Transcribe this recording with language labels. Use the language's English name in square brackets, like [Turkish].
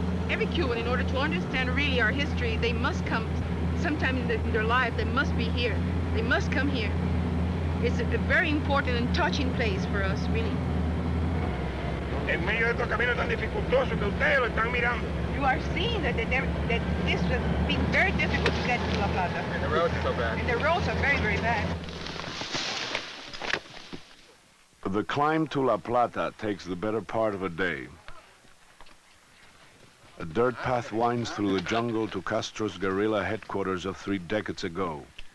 [English] Every Cuban, in order to understand really our history, they must come sometime in their life. They must be here. They must come here. It's a very important and touching place for us, really. [Spanish] En medio de estos caminos tan dificultosos que ustedes lo están mirando. [English] You are seeing that that this has been very difficult to get to La Plata. And the roads are so bad. And the roads are very, very bad. The climb to La Plata takes the better part of a day. A dirt path winds through the jungle to Castro's guerrilla headquarters of three decades ago.